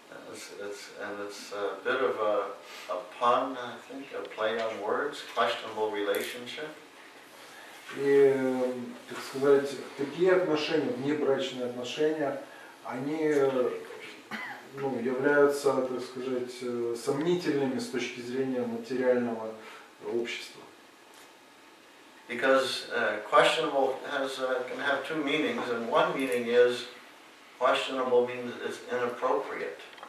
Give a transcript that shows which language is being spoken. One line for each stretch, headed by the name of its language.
English: It's a bit of a pun, I think, a play on words, questionable relationship.
Russian: И, так сказать, такие отношения, внебрачные отношения, они являются, так сказать, сомнительными с точки зрения материального общества.
English: Because questionable can have two meanings, and one meaning is questionable means it's inappropriate.